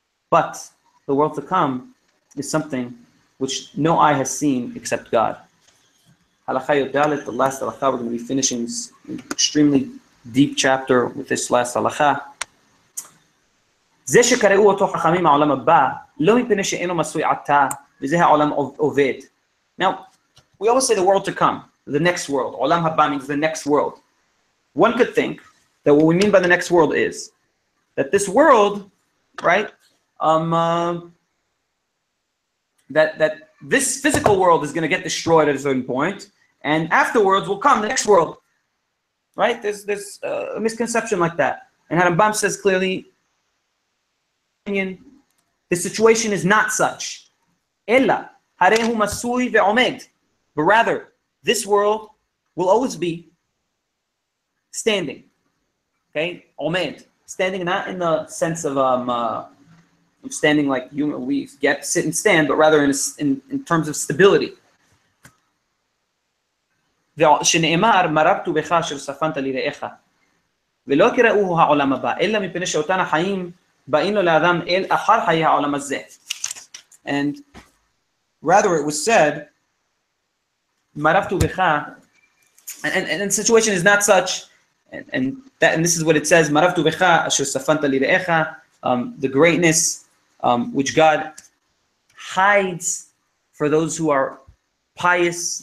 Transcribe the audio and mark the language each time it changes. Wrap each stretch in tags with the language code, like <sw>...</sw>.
<en>But the world to come is something which no eye has seen except God. Halakha Yodalit, the last halakha, we're going to be finishing this extremely deep chapter with this last halakha.</en> <he>זה שקראו אותו חכמים העולם הבא, לא מפני שאינו מסוי עתה, וזה העולם עובד.</he> <en>Now, we always say the world to come, the next world. עולם הבא means the next world. One could think that what we mean by the next world is that this world, right, that this physical world is going to get destroyed at a certain point, and afterwards will come the next world, right? There's a misconception like that. And Rambam says clearly, the situation is not such.</en> <he>Ella, harehu masui ve'omed.</he> <en>But rather, this world will always be standing. Okay? Omed. Standing not in the sense of standing like you know, we get sit and stand, but rather in terms of stability.</en> <he>שנאמר, מרבתו בך אשר ספנת לרעך. ולא קראוהו העולם הבא, אלא מפני שאותן החיים באים לו לאדם אל אחר חיי העולם הזה.</he> <en>And rather it was said, מרבתו בך, and the situation is not such, and this is what it says,</en> <he>מרבתו בך אשר ספנת לרעך,</he> <en>the greatness which God hides for those who are pious.</en>